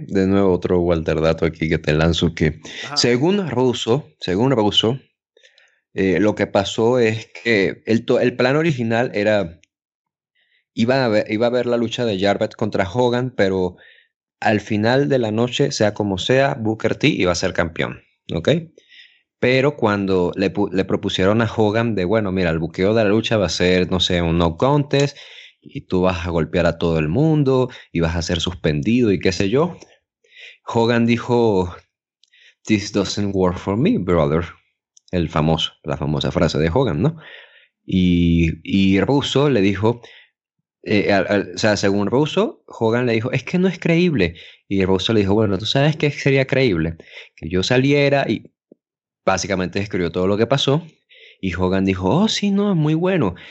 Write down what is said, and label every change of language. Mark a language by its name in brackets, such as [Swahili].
[Spanish] De nuevo otro Walter dato aquí que te lanzo, que según Russo, lo que pasó es que el plan original era, iba a haber la lucha de Jarrett contra Hogan, pero al final de la noche, sea como sea, Booker T iba a ser campeón, ¿ok? Pero cuando le propusieron a Hogan de, bueno, mira, el buqueo de la lucha va a ser, no sé, un no contest, y tú vas a golpear a todo el mundo, y vas a ser suspendido, y qué sé yo. Hogan dijo, [English] "This doesn't work for me, brother." [Spanish] La famosa frase de Hogan, ¿no? Y Russo le dijo, según Russo, Hogan le dijo, "Es que no es creíble." Y Russo le dijo, "Bueno, ¿tú sabes qué sería creíble? Que yo saliera y..." Básicamente escribió todo lo que pasó. Y Hogan dijo, oh, sí, no, es muy bueno.